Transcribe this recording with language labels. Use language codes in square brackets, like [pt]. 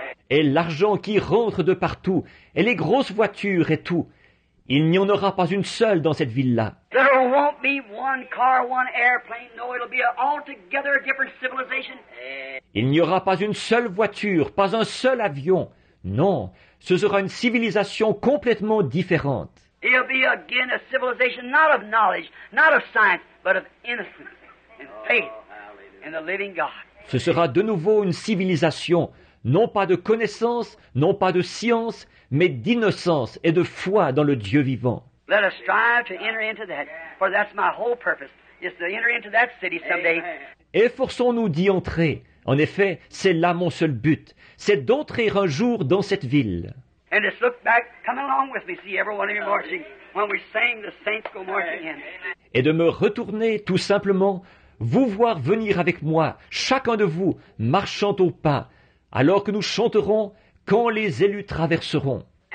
[fr] Et l'argent qui rentre de partout, et les grosses voitures et tout. Il n'y en aura pas une seule dans cette ville-là. [en] There won't be one car, one airplane. No, it'll be altogether a different civilization. [fr] Il n'y aura pas une seule voiture, pas un seul avion. Non, ce sera une civilisation complètement différente. [en] It'll be again a civilization not of knowledge, not of science, but of innocence and faith in the living God. [fr] Ce sera de nouveau une civilisation, non pas de connaissance, non pas de science, mais d'innocence et de foi dans le Dieu vivant. [en] Let us strive to enter into that, for that's my whole purpose, is to enter into that city someday. [fr] Efforçons-nous d'y entrer. En effet, c'est là mon seul but. C'est d'entrer un jour dans cette ville. [en] And just look back, come along with me, see every one of you marching. When we sing, the saints go marching in. [fr] Et de me retourner tout simplement, vous voir venir avec moi, chacun de vous, marchant au pas, alors que nous chanterons « Quand les élus traverseront ».